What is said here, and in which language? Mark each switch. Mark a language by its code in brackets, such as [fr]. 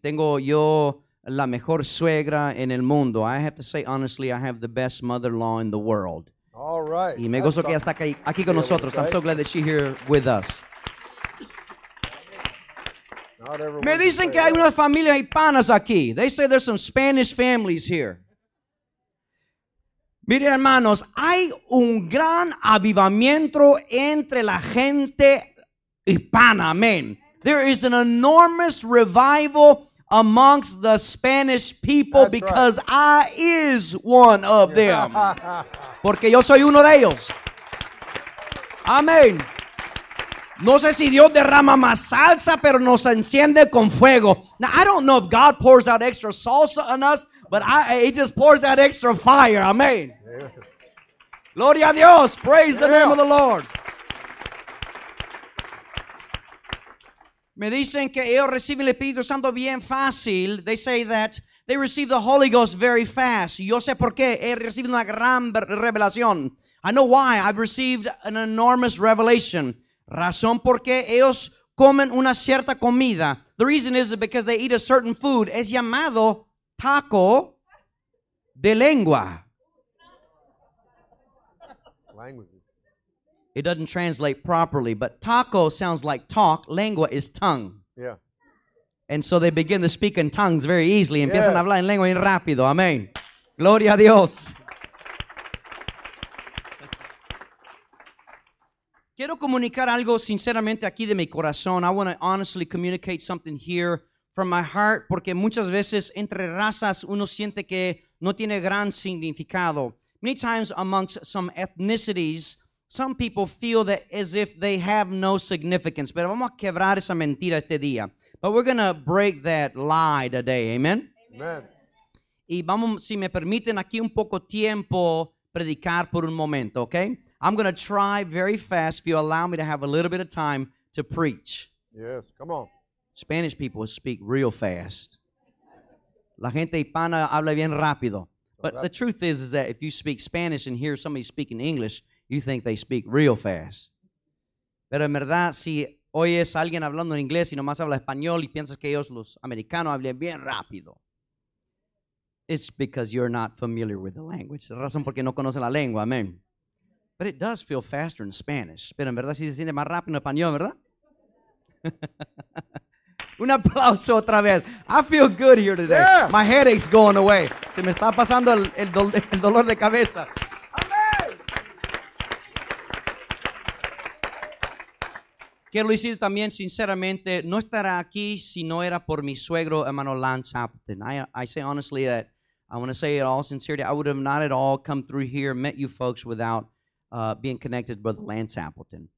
[es] Tengo yo la mejor suegra en el mundo. [en] I have to say honestly, I have the best mother-in-law in the world. All right. [es] Y me gozo que está aquí con nosotros. [en] I'm so glad that she's here with us. Not everyone. [es] Me dicen que hay unas familias hispanas aquí. [en] They say there's some Spanish families here. [es] Mire, hermanos, hay un gran avivamiento entre la gente hispana. Amén. [en] There is an enormous revival amongst the Spanish people That's because right. I is one of them. [es] Porque yo soy uno de ellos. Amén. No sé si Dios derrama más salsa, pero nos enciende con fuego. [en] Now, I don't know if God pours out extra salsa on us, but he just pours out extra fire. Amén. Yeah. [es] Gloria a Dios. [en] Praise the name of the Lord. [es] Me dicen que ellos reciben el Espíritu Santo bien fácil. [en] They say that they receive the Holy Ghost very fast. [es] Yo sé por qué. He recibido una gran revelación. [en] I know why. I've received an enormous revelation. [es] Razón porque ellos comen una cierta comida. [en] The reason is because they eat a certain food. [es] Es llamado taco de lengua. [en] Language. It doesn't translate properly, but taco sounds like talk. Lengua is tongue. Yeah. And so they begin to speak in tongues very easily. [es] Yeah. Empiezan a hablar en lengua bien rápido. Amén. Gloria a Dios. Quiero comunicar algo sinceramente aquí de mi corazón. [en] I want to honestly communicate something here from my heart, [es] porque muchas veces entre razas uno siente que no tiene gran significado. [en] Many times amongst some ethnicities, some people feel that as if they have no significance. [es] Pero vamos a quebrar esa mentira este día. [en] But we're going to break that lie today. Amen? Amen. [es] Y vamos, si me permiten aquí un poco tiempo, predicar por un momento, okay? [en] I'm going to try very fast if you allow me to have a little bit of time to preach. Yes, come on. Spanish people speak real fast. [es] La gente hispana habla bien rápido. [en] But the truth is that if you speak Spanish and hear somebody speaking English, you think they speak real fast. [es] Pero en verdad, si oyes a alguien hablando en inglés y nomás habla español y piensas que ellos, los americanos, hablan bien rápido, [en] it's because you're not familiar with the language. [es] La razón porque no conocen la lengua, amén. [en] But it does feel faster in Spanish. [es] Pero en verdad, si se siente más rápido en español, ¿verdad? Un aplauso otra vez. [en] I feel good here today. Yeah. My headache's going away. [es] Se me está pasando el dolor de cabeza. Quiero decir también sinceramente, no estará aquí si no era por mi suegro, hermano Lance Appleton. [en] I say honestly that, I want to say it all sincerity, I would have not at all come through here, met you folks without being connected with Lance Appleton.